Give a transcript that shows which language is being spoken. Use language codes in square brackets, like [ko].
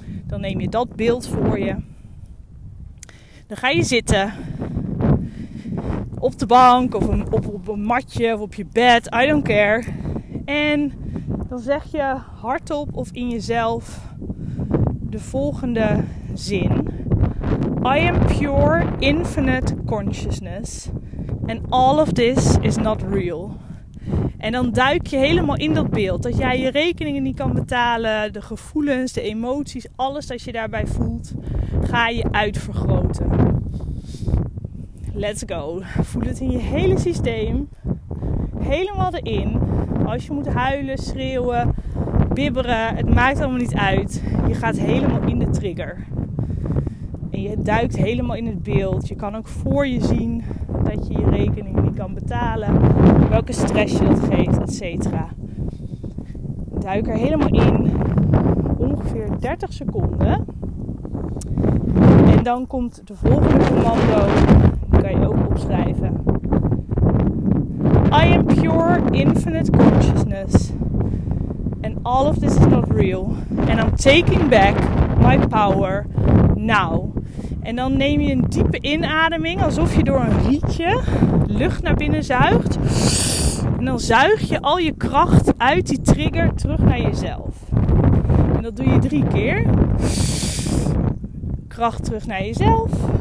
[nl] Dan neem je dat beeld voor je. Dan ga je zitten op de bank of op een matje of op je bed. [en] I don't care. [nl] En dan zeg je hardop of in jezelf de volgende zin. [en] I am pure infinite consciousness. And all of this is not real. [nl] En dan duik je helemaal in dat beeld. Dat jij je rekeningen niet kan betalen. De gevoelens, de emoties, alles dat je daarbij voelt, ga je uitvergroten. [en] Let's go. [nl] Voel het in je hele systeem. Helemaal erin. Als je moet huilen, schreeuwen, bibberen, het maakt allemaal niet uit. Je gaat helemaal in de trigger. En je duikt helemaal in het beeld. Je kan ook voor je zien dat je je rekening niet kan betalen. Welke stress je dat geeft, et cetera. Duik er helemaal in. Ongeveer 30 seconden. En dan komt de volgende commando. Die kan je ook opschrijven. [en] I am pure infinite consciousness. And all of this is not real. And I'm taking back my power now. [nl] En dan neem je een diepe inademing, alsof je door een rietje lucht naar binnen zuigt. En dan zuig je al je kracht uit die trigger terug naar jezelf. En dat doe je 3 keer. Kracht terug naar jezelf.